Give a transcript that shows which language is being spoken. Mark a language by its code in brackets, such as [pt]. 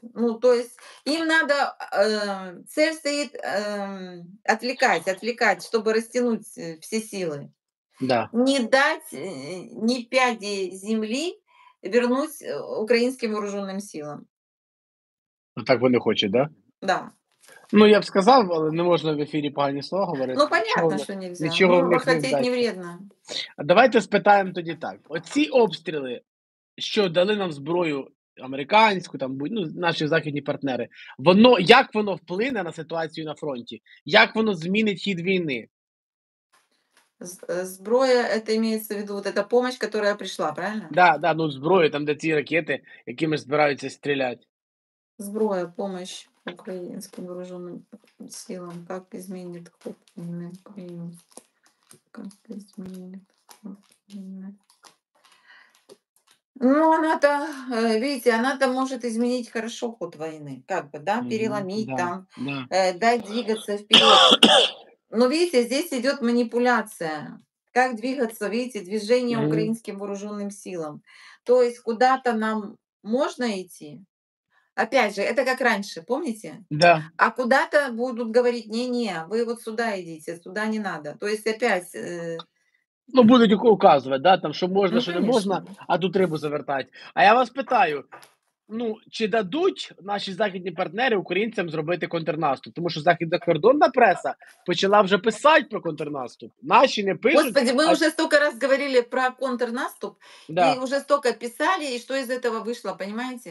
[ru] Ну, то есть, им надо, цель стоит отвлекать, чтобы растянуть все силы. Да. Не дать ни пяди земли вернуть українським вооруженим силам. [uk] Ну, так вони хочуть, да? [ru] Да. [uk] Ну, я б сказав, але не можна в ефірі погані слова говорити. Ну, понятно, чого, що нельзя. Нічого ну, хотіть не вредно. Давайте спитаємо тоді так. Оці обстріли, що дали нам зброю американську, там, ну, наші західні партнери, воно, як воно вплине на ситуацію на фронті? Як воно змінить хід війни? [ru] Зброя, это имеется в виду, вот эта помощь, которая пришла, правильно? [uk] Да, да, ну зброя, там, де ці ракети, якими збираються стріляти. [ru] Зброя, помощь українським вооруженным силам. Как изменит ход на Украину? Как изменит ход на Украину? Ну, она-то, видите, она-то может изменить хорошо ход войны, как бы, да, переломить да, там, да. Дать двигаться вперед. Но, видите, здесь идет манипуляция. Как двигаться, видите, движение украинским вооруженным силам. То есть куда-то нам можно идти? Опять же, это как раньше, помните? Да. А куда-то будут говорить, не-не, вы вот сюда идите, сюда не надо. То есть опять... Ну, будут указывать, да, там, что можно, ну, что конечно. Не можно, а тут рыбу завертать. [uk] А я вас питаю, ну, чи дадуть наші західні партнери українцям зробити контрнаступ? Тому що західна кордонна преса почала вже писати про контрнаступ. Наші не пишуть. Господи, ми вже стільки раз говорили про контрнаступ, да. І вже стільки писали, і що із цього вийшло, розумієте?